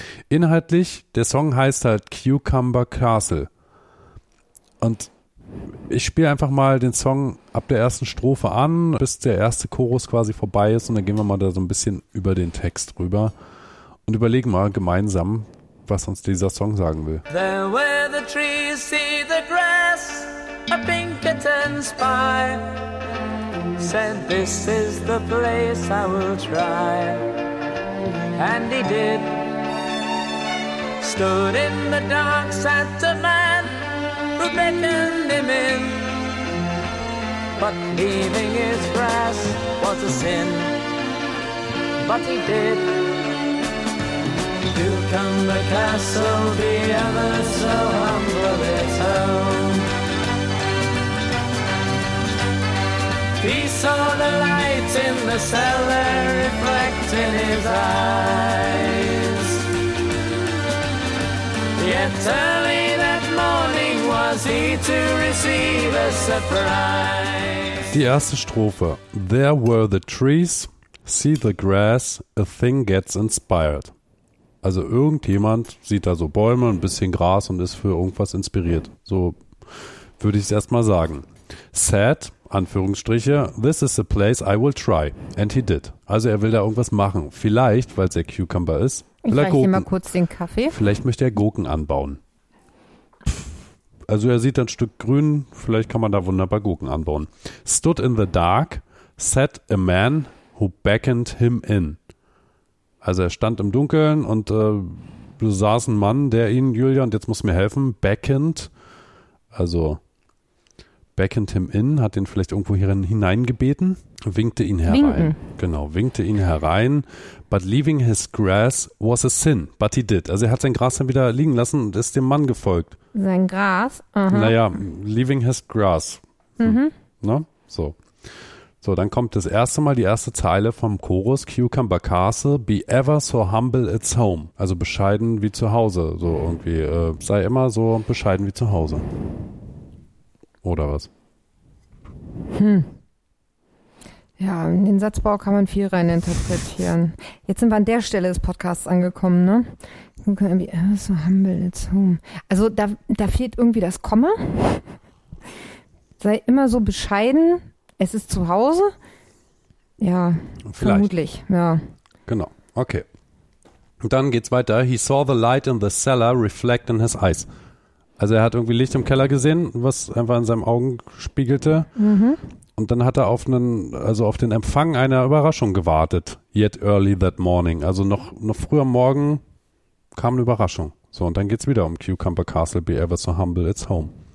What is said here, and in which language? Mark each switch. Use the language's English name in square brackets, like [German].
[German] Inhaltlich, der Song heißt halt Cucumber Castle. Und ich spiele einfach mal den Song ab der ersten Strophe an, bis der erste Chorus quasi vorbei ist. Und dann gehen wir mal da so ein bisschen über den Text rüber und überlegen mal gemeinsam, was uns dieser Song sagen will. [English] There where the trees see the grass, a Pinkerton spy said this is the place I will try, and he did. Stood in the dark sat a man who beckoned him in, but leaving his grass was a sin. But he did. Do come the castle, be ever so humble its home. He saw the light in the cellar reflect in his eyes. Yet early that morning was he to receive a surprise. [German] Die erste Strophe. [English] There were the trees, see the grass, a thing gets inspired. [German] Also irgendjemand sieht da so Bäume, ein bisschen Gras und ist für irgendwas inspiriert. So würde ich es erstmal sagen. [English] Sad, [German] Anführungsstriche, [English] this is the place I will try. And he did. [German] Also er will da irgendwas machen. Vielleicht, weil es der Cucumber ist. Ich reiche hier mal kurz den Kaffee. Vielleicht möchte er Gurken anbauen. Also er sieht ein Stück Grün. Vielleicht kann man da wunderbar Gurken anbauen. [English] Stood in the dark, sat a man who beckoned him in. [German] Also er stand im Dunkeln und saß ein Mann, der ihn, Julia, und jetzt muss mir helfen, beckoned. Also [English] beckoned him in, [German] hat ihn vielleicht irgendwo hier hineingebeten, winkte ihn herein. Winken. Genau, winkte ihn herein. [English] But leaving his grass was a sin, but he did. [German] Also er hat sein Gras dann wieder liegen lassen und ist dem Mann gefolgt. Sein Gras? [English] Aha. Naja, leaving his grass. Mhm. Na, so. [German] So, dann kommt das erste Mal die erste Zeile vom Chorus Cucumber Castle, [English] be ever so humble it's home. [German] Also bescheiden wie zu Hause, so irgendwie. Sei immer so bescheiden wie zu Hause. Oder was? Ja, in den Satzbau kann man viel rein interpretieren. Jetzt sind wir an der Stelle des Podcasts angekommen, ne? [English] Be ever so humble it's home. [German] Also da fehlt irgendwie das Komma. Sei immer so bescheiden. Es ist zu Hause? Ja, vielleicht. Vermutlich. Ja. Genau, okay. Dann geht's weiter. [English] He saw the light in the cellar reflect in his eyes. [German] Also er hat irgendwie Licht im Keller gesehen, was einfach in seinen Augen spiegelte. Mhm. Und dann hat er auf den Empfang einer Überraschung gewartet. [English] Yet early that morning. [German] Also noch früher morgen kam eine Überraschung. So, und dann geht's wieder um Cucumber Castle, [English] be ever so humble, it's home.